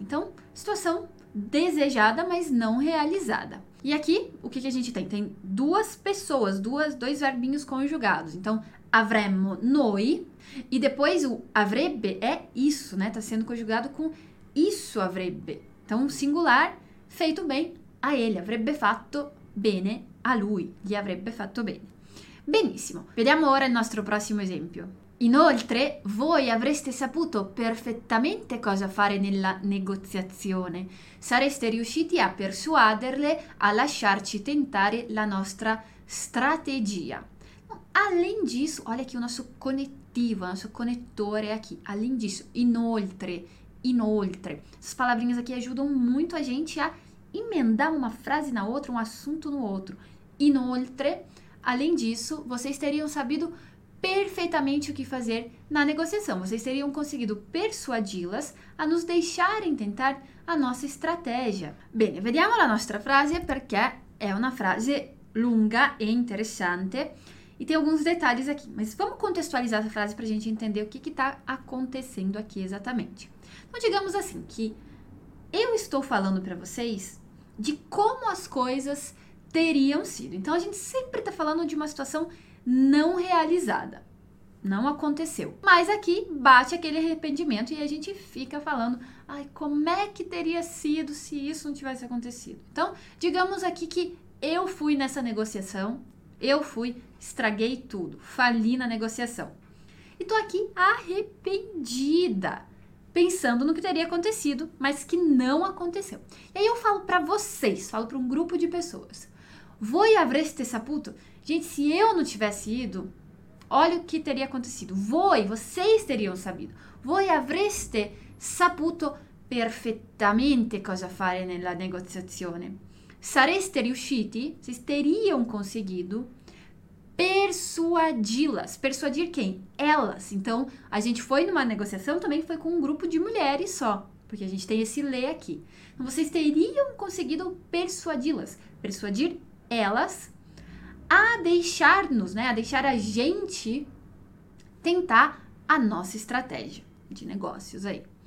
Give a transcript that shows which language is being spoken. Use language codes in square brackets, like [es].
[pt] Então, situação desejada, mas não realizada. E aqui, o que, que a gente tem? Tem duas pessoas, dois verbinhos conjugados. Então, avremmo noi, e depois o avrebbe é isso, né? Tá sendo conjugado com isso avrebbe. Então, singular, feito bem a ele. [it] Avrebbe fatto bene a lui. Gli avrebbe fatto bene. Benissimo. Vediamo ora il nostro prossimo esempio. Inoltre, voi avreste saputo perfettamente cosa fare nella negoziazione. Sareste riusciti a persuaderle a lasciarci tentare la nostra strategia. [pt] Além disso, olha aqui o nosso conettivo, o nosso conettore aqui. Além disso, inoltre, inoltre. Essas palavrinhas aqui ajudam muito a gente a emendar uma frase na outra, um assunto no outro. Inoltre, além disso, vocês teriam sabido perfeitamente o que fazer na negociação. Vocês teriam conseguido persuadi-las a nos deixarem tentar a nossa estratégia. [it] Bene, vediamo la nostra frase, perché è una frase lunga e interessante e [pt] tem alguns detalhes aqui. Mas vamos contextualizar essa frase para a gente entender o que está acontecendo aqui exatamente. Então, digamos assim, que eu estou falando para vocês de como as coisas teriam sido. Então, a gente sempre está falando de uma situação não realizada, não aconteceu. Mas aqui bate aquele arrependimento e a gente fica falando, ai, como é que teria sido se isso não tivesse acontecido? Então, digamos aqui que eu fui nessa negociação, eu fui, estraguei tudo, fali na negociação. E tô aqui arrependida, pensando no que teria acontecido, mas que não aconteceu. E aí eu falo pra vocês, falo pra um grupo de pessoas, [it] voi avreste saputo? [pt] Gente, se eu não tivesse ido, olha o que teria acontecido. Vocês teriam sabido. [it] Voi avreste saputo perfettamente cosa fare nella negoziazione. Sareste riusciti? [pt] Vocês teriam conseguido persuadi-las. Persuadir quem? Elas. Então, a gente foi numa negociação, também foi com um grupo de mulheres só, porque a gente tem esse le aqui. Então, vocês teriam conseguido persuadi-las. Persuadir elas a deixar-nos, né, a deixar a gente tentar a nossa estratégia de negócios aí.